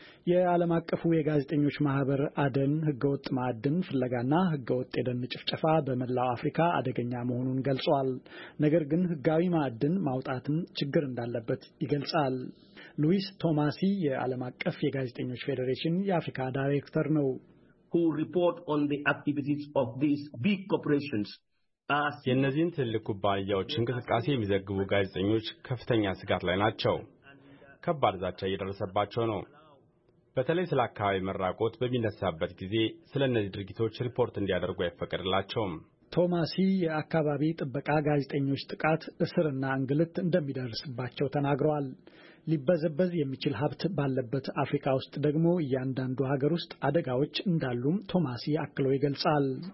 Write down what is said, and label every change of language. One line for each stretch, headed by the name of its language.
Amharic: የዓለም አቀፉ የጋዜጠኞች ማህበር አደን ህገወጥ ማዕድን ፍለጋና ህገወጥ የደን ጭፍጨፋ በመላው አፍሪካ አደገኛ መሆኑን ገልጿል። ነገር ግን ህጋዊ ማዕድን ማውጣትም ችግር እንዳለበት ይገልጻል። ሉዊስ ቶማሲ የዓለም አቀፍ የጋዜጠኞች ፌዴሬሽን የአፍሪካ ዳይሬክተር ነው።
English: Who report on the activities of these big corporations?
Amharic: የነዚህን ትልልቅ ኩባንያዎች እንቅስቃሴ የሚዘግቡ ጋዜጠኞች ከፍተኛ ስጋት ላይ ናቸው። ከባድ ዛቻ እየደረሰባቸው ነው። በተለይ ስለ አካባቢ መራቆት በሚነሳበት ጊዜ ስለነዚህ ድርጊቶች ሪፖርት እንዲያደርጉ አይፈቀድላቸውም። ቶማሲ የአካባቢ ጥበቃ ጋዜጠኞች ጥቃት፣ እስርና እንግልት እንደሚደርስባቸው ተናግረዋል። ሊበዘበዝ የሚችል ሀብት ባለበት አፍሪካ ውስጥ ደግሞ እያንዳንዱ ሀገር ውስጥ አደጋዎች እንዳሉም ቶማሲ አክለው ይገልጻል።